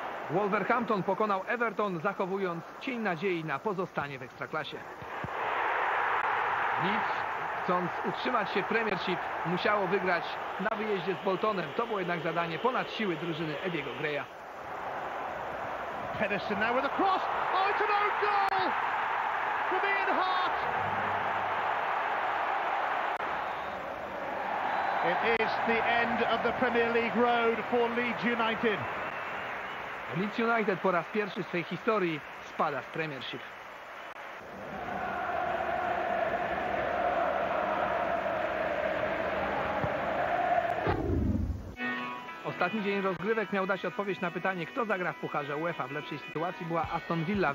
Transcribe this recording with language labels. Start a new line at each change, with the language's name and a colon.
Polish: Wolverhampton pokonał Everton, zachowując cień nadziei na pozostanie w ekstraklasie. Leeds, chcąc utrzymać się w Premiership, musiało wygrać na wyjeździe z Boltonem. To było jednak zadanie ponad siły drużyny Ediego Greya.
English: Pedersen now with a cross. Oh, it's an own goal from Ian Hart. It is the end of the Premier League road for Leeds United.
Polish: Leeds United po raz pierwszy w swojej historii spada z Premiership. Ostatni dzień rozgrywek miał dać odpowiedź na pytanie, kto zagra w pucharze UEFA. W lepszej sytuacji była Aston Villa.